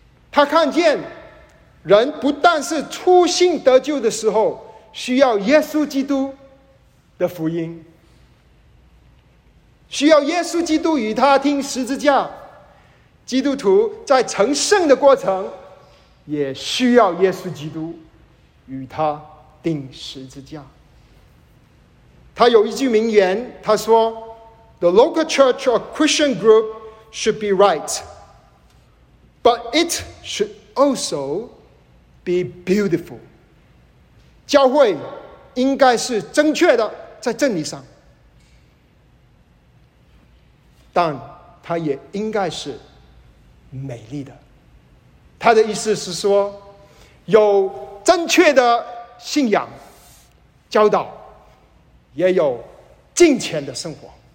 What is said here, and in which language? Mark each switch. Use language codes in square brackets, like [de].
[zh] 他看见人不但是出信得救的时候需要耶稣基督的福音，需要耶稣基督与他钉十字架，基督徒在成圣的过程也需要耶稣基督与他钉十字架。他有一句名言，他说 [en] The local church or Christian group should be right, but it should also be beautiful. [zh] 教会应该是正确的，在真理上，但它也应该是美丽的。他的意思是说，有正确的信仰教导，也有敬虔的生活。